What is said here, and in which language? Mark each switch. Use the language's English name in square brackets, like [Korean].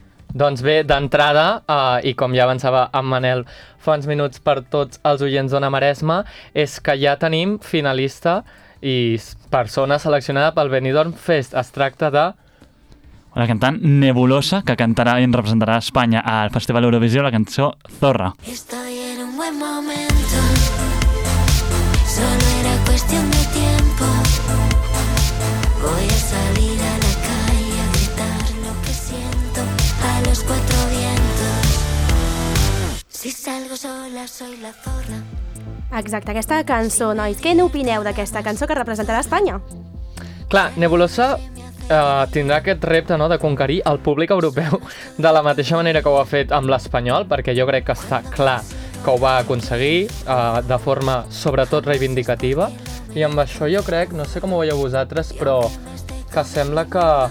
[Catalan] Doncs bé, d'entrada, i com ja avançava en Manel fa uns minuts per tots els oients d'Ona Maresme, és que ja tenim finalista i persona seleccionada pel Benidorm Fest. Es tracta de... La cantant Nebulosa, que cantarà i representarà a Espanya al Festival Eurovisió, la cançó Zorra. [Spanish] Estoy en un buen momento, solo era cuestión de tiempo. Voy a salir a la calle a gritar lo que siento a los cuatro vientos. Si salgo sola soy la zorra. [Catalan] Exacte, aquesta cançó, nois, què n'opineu d'aquesta cançó que representarà Espanya? Clar, Nebulosa... tindrà aquest repte, no?, de conquerir el públic europeu de la mateixa manera que ho ha fet amb l'espanyol, perquè jo crec que està clar que ho va aconseguir de forma sobretot reivindicativa, i amb això jo crec, no sé com ho veieu vosaltres, però que sembla que